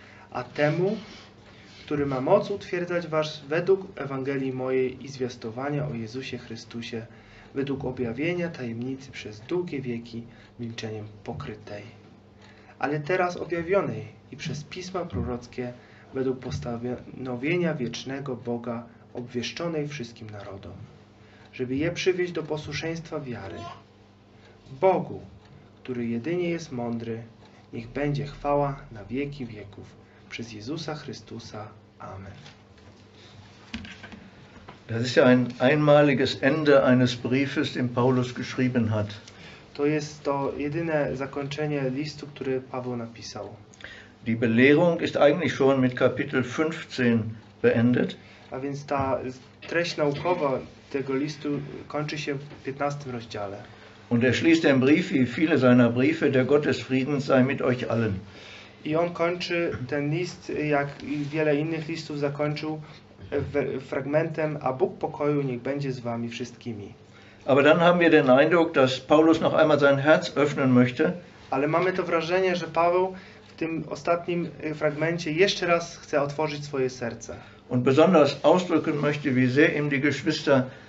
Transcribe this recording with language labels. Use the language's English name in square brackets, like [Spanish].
[Polish] A temu, który ma moc utwierdzać was według Ewangelii mojej i zwiastowania o Jezusie Chrystusie, według objawienia tajemnicy przez długie wieki milczeniem pokrytej, ale teraz objawionej i przez pisma prorockie, według postanowienia wiecznego Boga obwieszczonej wszystkim narodom, żeby je przywieść do posłuszeństwa wiary. Bogu, który jedynie jest mądry, niech będzie chwała na wieki wieków. Przez Jezusa Chrystusa. Amen. [German] Das ist ja ein einmaliges Ende eines Briefes, den Paulus geschrieben hat. [Polish] To jest to jedyne zakończenie listu, który Paweł napisał. [German] Die Belehrung ist eigentlich schon mit Kapitel 15 beendet. [Polish] A więc ta treść naukowa tego listu kończy się w 15 rozdziale. [German] Und schließt den Brief wie viele seiner Briefe: Der Gott des Friedens sei mit euch allen. [Polish] I on kończy ten list, jak i wiele innych listów zakończył, fragmentem: A Bóg pokoju niech będzie z wami wszystkimi. [German] Aber dann haben wir den Eindruck, dass Paulus noch einmal sein Herz öffnen möchte. [Polish] Ale mamy to wrażenie, że Paweł w tym ostatnim fragmencie jeszcze raz chce otworzyć swoje serce. [German] Und besonders ausdrücken möchte, wie sehr ihm die Geschwister